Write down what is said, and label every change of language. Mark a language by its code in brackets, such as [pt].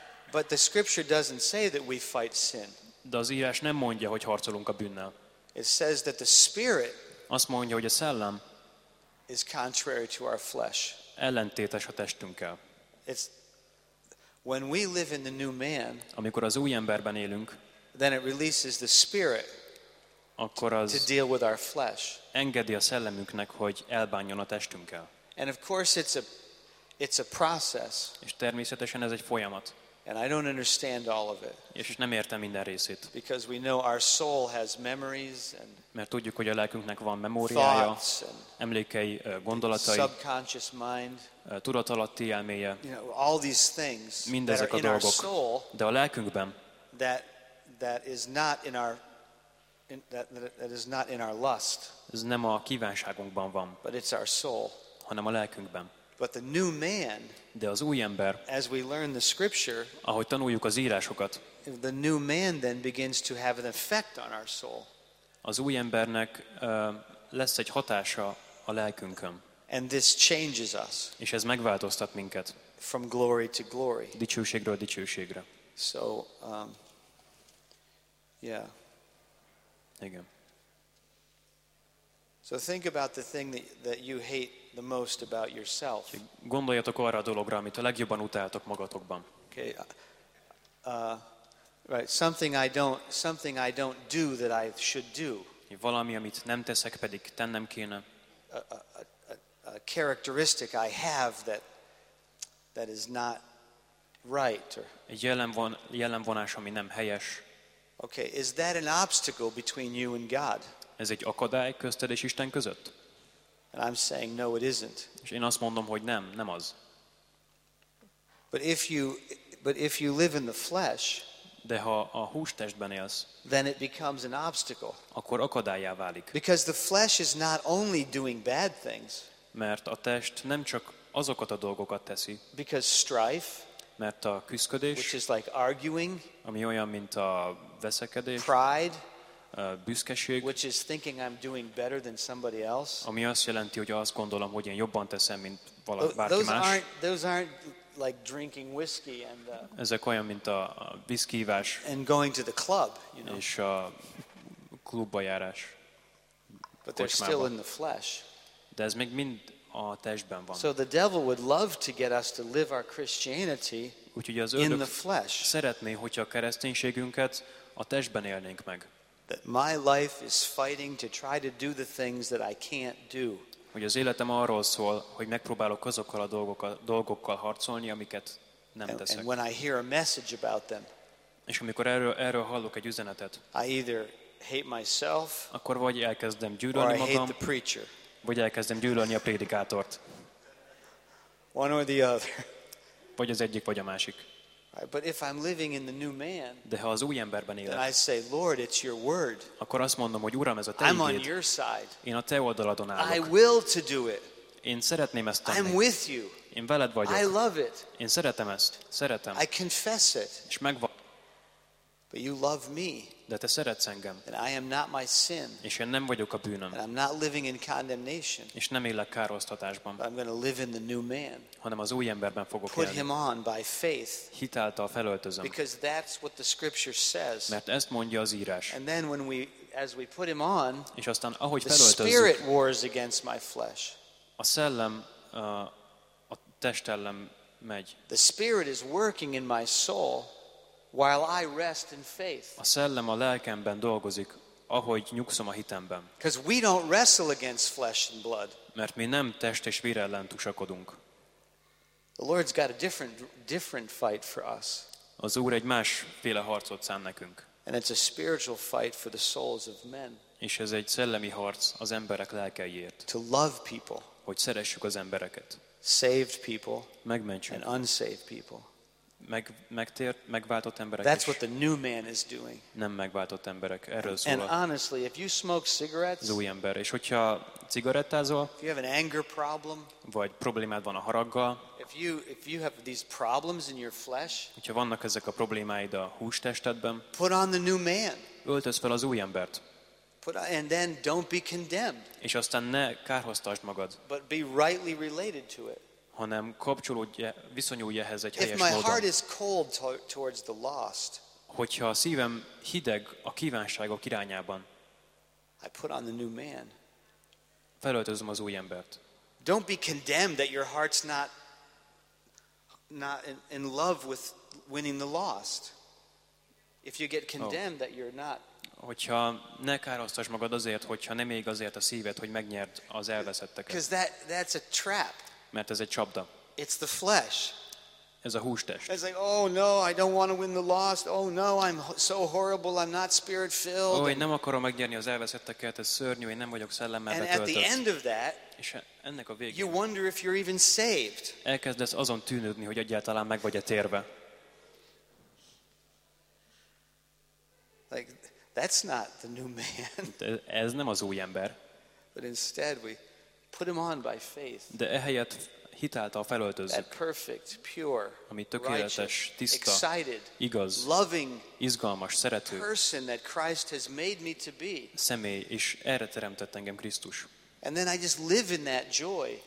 [en] But the scripture doesn't say that we fight sin. [hu] De az írás nem mondja, hogy harcolunk a bűnnel. [en] It says that the spirit. [hu] Azt mondja, hogy a szellem. [en] Is contrary to our flesh. [hu] Ellentétes a testünkkel. [en] It's when we live in the new man. [hu] Amikor az új emberben élünk. [en] Then it releases the spirit. [hu] Akkor az [en] to deal with our flesh. [hu] Engedi a szellemünknek, hogy elbánjon a testünkkel. [en] And of course it's a process. [hu] És természetesen ez egy folyamat. [en] And I don't understand all of it. [hu] És nem értem minden részét. [en] Because we know our soul has memories and [hu] mert tudjuk, hogy a lelkünknek van memóriája, emlékei, gondolatai, [en] subconscious mind, [hu] tudatalatti elméje. [en] You know, all these things [hu] mindezek a dolgok, [en] our soul, [hu] de a lelkünkben [en] that is not in our lust. [hu] Ez nem a kívánságunkban van, [en] but it's our soul. [hu] Hanem a lelkünkben. [en] But the new man, [hu] de az új ember, [en] as we learn the scripture, [hu] ahogy tanuljuk az írásokat, [en] the new man then begins to have an effect on our soul. [hu] Az új embernek lesz egy hatása a lelkünkön. [en] And this changes us. [hu] És ez megváltoztat minket. [en] From glory to glory. [hu] Dicsőségről dicsőségre. [en] So, yeah. [hu] Igen. [en] So think about the thing that you hate the most about yourself. [hu] Gondoljatok arra a dologra, amit a legjobban utáltok magatokban. [en] Okay. Right, something I don't do that I should do. [hu] Valami, amit nem teszek, pedig tennem kéne. [en] A characteristic I have that is not right. [hu] Jellemvonás, ami nem helyes. [en] Okay, is that an obstacle between you and God? [hu] Ez egy akadály közted és Isten között? [en] And I'm saying no, it isn't. [hu] És én azt mondom, hogy nem az. [en] But if you live in the flesh, [hu] de ha a hústestben élsz, [en] then it becomes an obstacle. [hu] Akkor akadályá válik. [en] Because the flesh is not only doing bad things. [hu] Mert a test nem csak azokat a dolgokat teszi. [en] Because strife, [hu] mert a küszködés, [en] which is like arguing, [hu] ami olyan, mint a veszekedés, [en] pride, [hu] a büszkeség, [en] which is thinking I'm doing better than somebody else, [hu] ami azt jelenti, hogy azt gondolom, hogy én jobban teszem, mint valaki más. [en] Those aren't like drinking whiskey and [hu] ezek olyan, mint a viszkívás, [en] and going to the club, you know, [hu] és a klubba járás, [en] but they're still in the flesh. [hu] De ez még mind a testben van. [en] So the devil would love to get us to live our Christianity in the flesh. [hu] Szeretné, hogyha a kereszténységünket a testben élnénk meg. [en] That my life is fighting to try to do the things that I can't do. [hu] Hogy az életem arról szól, hogy megpróbálok azokkal a dolgokkal harcolni, amiket nem teszek. [en] And when I hear a message about them, [hu] és amikor erről hallok egy üzenetet, [en] I either hate myself, [hu] akkor vagy elkezdem gyűlölni magam, vagy elkezdem gyűlölni a prédikátort. [en] One or the other. [hu] Vagy az egyik, vagy a másik. [en] But if I'm living in the new man, [hu] de ha az új emberben élek, [en] I say, Lord, it's your word. [hu] Akkor azt mondom, hogy Uram, ez a Te ígéd. [en] I'm on your side. [hu] Én a Te oldaladon állok. [en] I will to do it. [hu] Én szeretném ezt tenni. [en] I'm with you. [hu] Én veled vagyok. [en] I love it. [hu] Én szeretem ezt. Szeretem. [en] I confess it. [hu] És megvan. [en] But you love me. [hu] De te szeretsz engem. [en] And I am not my sin. [hu] És én nem vagyok a bűnöm. [en] And I'm not living in condemnation. [hu] És nem élek károsztatásban. [en] But I'm going to live in the new man. [hu] Hanem az új emberben fogok élni. [en] Put him on by faith. [hu] Hitáltal felöltözöm. [en] Because that's what the scripture says. [hu] Mert ezt mondja az írás. [en] And then when we, as we put him on, [hu] és aztán ahogy felöltözzük, [en] the spirit wars against my flesh. [hu] A szellem a testellem megy. [en] The spirit is working in my soul. While I rest in faith. [hu] A szellem a lelkemben dolgozik, ahogy nyugszom a hitemben. [en] Because we don't wrestle against flesh and blood. [hu] Mert mi nem test és vér ellen tusakodunk. [en] The Lord's got a different fight for us. [hu] Az Úr egy másféle harcot szán nekünk. [en] And it's a spiritual fight for the souls of men. [hu] És ez egy szellemi harc az emberek lelkeiért. [en] To love people. [hu] Hogy szeressük az embereket. [en] Saved people. [hu] Megmentsünk. [en] And unsaved people. [hu] Megtért, megváltott emberek. [en] That's what the new man is doing. [hu] Nem megváltott emberek, erről szól. [en] And honestly, if you smoke cigarettes, [hu] az új ember, és hogyha cigarettázol, [en] if you have an anger problem, [hu] vagy problémád van a haraggal, [en] if you have these problems in your flesh, [hu] hogyha vannak ezek a problémáid a hústestedben, [en] put on the new man. [hu] Öltözz fel az új embert. [en] And then don't be condemned. [hu] És aztán ne kárhoztasd magad. [en] But be rightly related to it. [hu] Hanem kapcsolódj, viszonyulj ehhez egy helyes módon. [en] If my heart is cold towards the lost, [hu] hogyha a szívem hideg a kívánságok irányában, [en] I put on the new man. [hu] Felöltözöm az új embert. [en] Don't be condemned that your heart's not in love with winning the lost. If you get condemned that you're not. [hu] Hogyha ne károsztasd magad azért, hogyha nem ég azért a szíved, hogy megnyert az elveszetteket. [en] Because that's a trap. [hu] Mert ez egy csapda. [en] It's the flesh. [hu] Ez a hústest. [en] It's like, oh no, I don't want to win the lost. Oh no, I'm so horrible. I'm not spirit filled. [hu] Ó, én nem akarom megnyerni az elveszetteket, ez szörnyű, én nem vagyok szellemmel betöltött. [en] And at the end of that, [hu] és ennek a végén, [en] you wonder if you're even saved. [hu] Elkezdesz azon tűnődni, hogy egyáltalán meg vagy-e térve. [en] Like, that's not the new man. [hu] Ez nem az új ember. [en] But instead we put him on by faith. [hu] De ehelyett hitáltal felöltözzük. [en] That perfect, pure, [hu] ami tökéletes, tiszta, [en] excited, [hu] igaz, [en] loving, [hu] izgalmas, szerető [en] person that Christ has made me to be. [hu] Személy, és erre teremtett engem Krisztus. [en] And then I just live in that joy.